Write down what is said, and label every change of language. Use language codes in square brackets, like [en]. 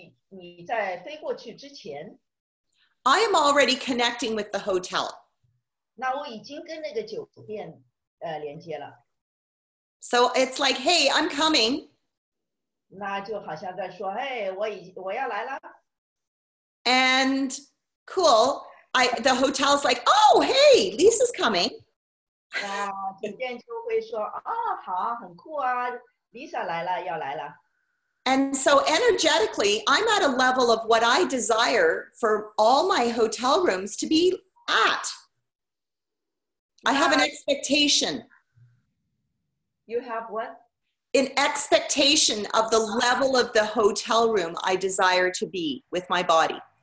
[zh] 或者甚至就是你在飞过去之前。 [en] I am already connecting with the hotel. [zh] 那我已经跟那个酒店连接了。 [en] So it's like, hey, I'm coming. [zh] 那就好像在说，哎，我要来了。 [en] And cool, the hotel's like, oh, hey, Lisa's coming. [zh] 酒店就会说，啊，好啊，很酷啊，Lisa来了，要来了。 [en] And so energetically, I'm at a level of what I desire for all my hotel rooms to be at. I have an expectation. You have what? An expectation of the level of the hotel room I desire to be with my body.